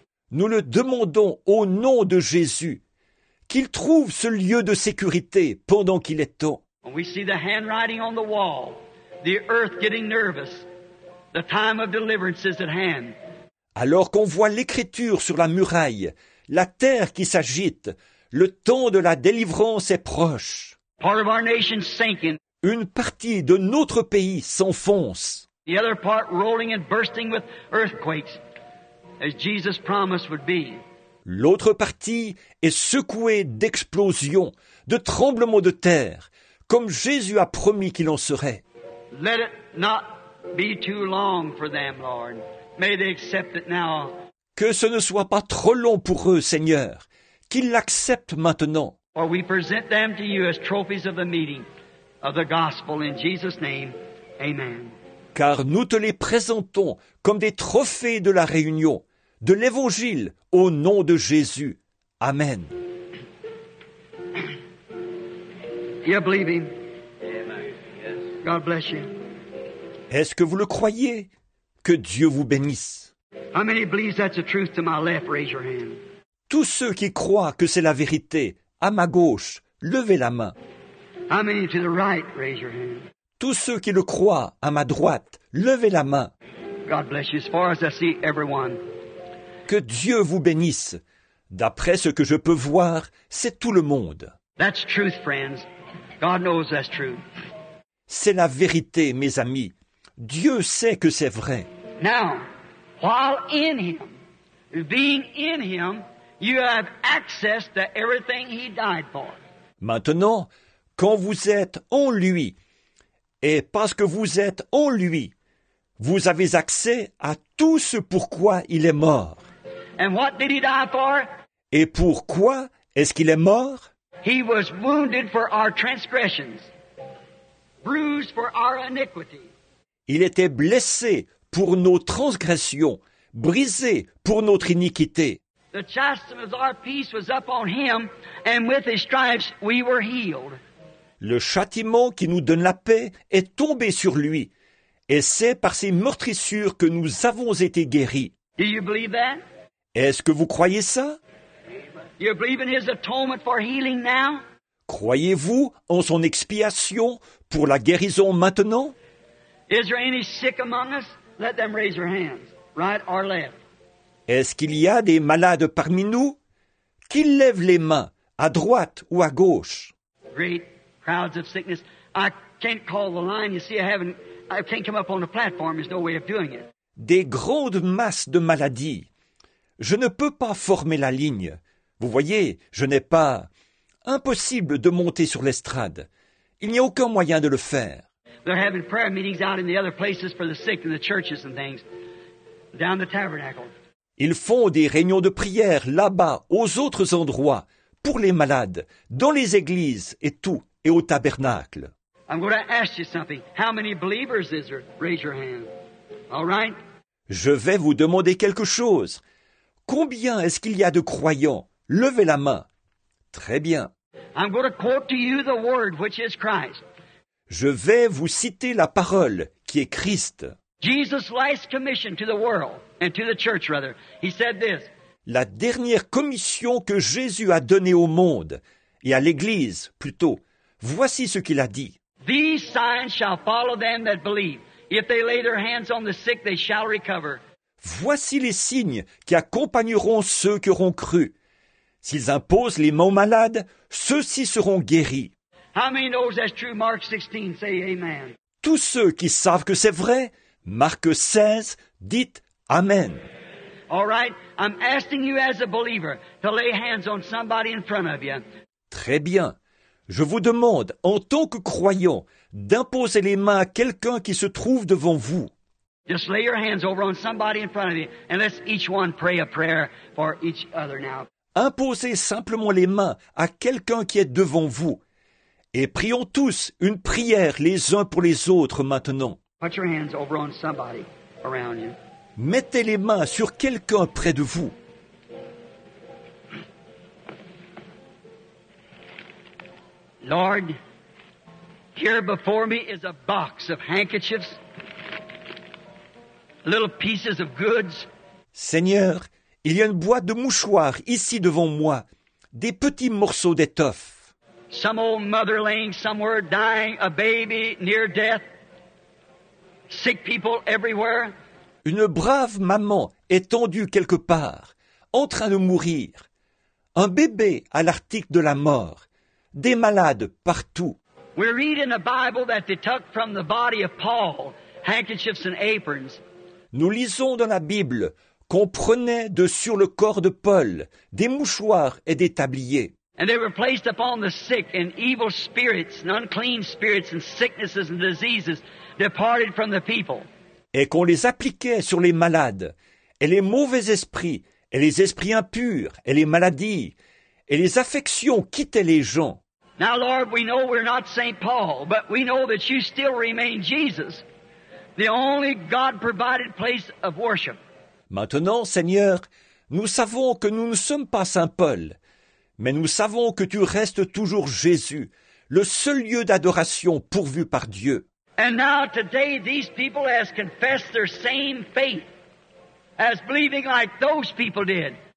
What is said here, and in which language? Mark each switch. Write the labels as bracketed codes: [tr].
[fr] Nous le demandons au nom de Jésus, qu'il trouve ce lieu de sécurité pendant qu'il est temps. [en] When we see the handwriting on the wall, the earth getting nervous, the time of deliverance is at hand. [fr] Alors qu'on voit l'écriture sur la muraille, la terre qui s'agite, le temps de la délivrance est proche. [en] Part of our nation sinking. [fr] Une partie de notre pays s'enfonce. [en] The other part rolling and bursting with earthquakes. As Jesus promised would be. [fr] L'autre partie est secouée d'explosions, de tremblements de terre, comme Jésus a promis qu'il en serait. [en] Let it not be too long for them, Lord. May they accept it now. [fr] Que ce ne soit pas trop long pour eux, Seigneur, qu'ils l'acceptent maintenant. [en] For we present them to you as trophies of the meeting of the gospel in Jesus' name. Amen. [fr] Car nous te les présentons comme des trophées de la réunion, de l'Évangile, au nom de Jésus. [en] Amen. You believe him? Amen. God bless you. [fr] Est-ce que vous le croyez? Que Dieu vous bénisse. [en] How many believes that's the truth to my left? Raise your hand. [fr] Tous ceux qui croient que c'est la vérité, à ma gauche, levez la main. [en] How many to the right? Raise your hand. [fr] Tous ceux qui le croient, à ma droite, levez la main. [en] God bless you, as far as I see everyone. [fr] Que Dieu vous bénisse. D'après ce que je peux voir, c'est tout le monde. [en] That's truth, friends. God knows that's true. [fr] C'est la vérité, mes amis. Dieu sait que c'est vrai. [en] Now, while in him, being in him, you have access to everything he died for. [fr] Maintenant, quand vous êtes en lui, et parce que vous êtes en lui, vous avez accès à tout ce pourquoi il est mort. [en] And what did he die for? [fr] Et pourquoi est-ce qu'il est mort? [en] He was wounded for our transgressions, bruised for our iniquity. [fr] Il était blessé pour nos transgressions, brisé pour notre iniquité. [en] The chastisement of our peace was upon him, and with his stripes we were healed. [fr] Le châtiment qui nous donne la paix est tombé sur lui, et c'est par ses meurtrissures que nous avons été guéris. [en] Do you believe that? [fr] Est-ce que vous croyez ça? [en] You believe in his atonement for healing now? [fr] Croyez-vous en son expiation pour la guérison maintenant? [en] Is there any sick among us? Let them raise their hands, right or left. [fr] Est-ce qu'il y a des malades parmi nous? Qu'ils lèvent les mains, à droite ou à gauche. [en] Great. Crowds of sickness. I can't call the line. You see, I can't come up on the platform. There's no way of doing it. [fr] Des grandes masses de maladies. Je ne peux pas former la ligne. Vous voyez, je n'ai pas. Impossible de monter sur l'estrade. Il n'y a aucun moyen de le faire. They're having prayer meetings out in the other places for the sick in the churches and things. Down the tabernacle. Ils font des réunions de prière là-bas, aux autres endroits, pour les malades, dans les églises et tout. Et au tabernacle. [en] I'm going to ask you something. How many believers is there? Raise your hand. All right? [fr] Je vais vous demander quelque chose. Combien est-ce qu'il y a de croyants? Levez la main. Très bien. [en] I'm going to quote to you the word which is Christ. [fr] Je vais vous citer la parole qui est Christ. [en] Jesus' last commission to the world and to the church, rather, he said this. [fr] La dernière commission que Jésus a donnée au monde et à l'Église, plutôt, voici ce qu'il a dit. [en] These signs shall follow them that believe. If they lay their hands on the sick, they shall recover. [fr] Voici les signes qui accompagneront ceux qui auront cru. S'ils imposent les mains aux malades, ceux-ci seront guéris. [en] How many knows that's true? Mark 16, say amen. [fr] Tous ceux qui savent que c'est vrai, Marc 16, dites amen. [en] All right, I'm asking you as a believer to lay hands on somebody in front of you. [fr] Très bien. Je vous demande, en tant que croyant, d'imposer les mains à quelqu'un qui se trouve devant vous. [en] Just lay your hands over on somebody in front of you and let's each one pray a prayer for each other now. [fr] Imposez simplement les mains à quelqu'un qui est devant vous et prions tous une prière les uns pour les autres maintenant. [en] Put your hands over on somebody around you. [fr] Mettez les mains sur quelqu'un près de vous. [en] Lord, here before me is a box of handkerchiefs. Little pieces of goods. [fr] Seigneur, il y a une boîte de mouchoirs ici devant moi, des petits morceaux d'étoffe. [en] Some old mother laying somewhere dying, a baby near death. Sick people everywhere. [fr] Une brave maman étendue quelque part, en train de mourir. Un bébé à l'article de la mort, des malades partout. [en] We read in the Bible that they took from the body of Paul handkerchiefs and aprons. [fr] Nous lisons dans la Bible qu'on prenait de sur le corps de Paul des mouchoirs et des tabliers. [en] And they were placed upon the sick, and evil spirits and unclean spirits and sicknesses and diseases departed from the people. [fr] Et qu'on les appliquait sur les malades, et les mauvais esprits, et les esprits impurs, et les maladies, et les affections quittaient les gens. [en] Now, Lord, we know we're not Saint Paul, but we know that you still remain Jesus. The only God-provided place of worship. [fr] Maintenant, Seigneur, nous savons que nous ne sommes pas Saint Paul, mais nous savons que tu restes toujours Jésus, le seul lieu d'adoration pourvu par Dieu. [en] And now today these people have confessed their same faith as believing like those people did.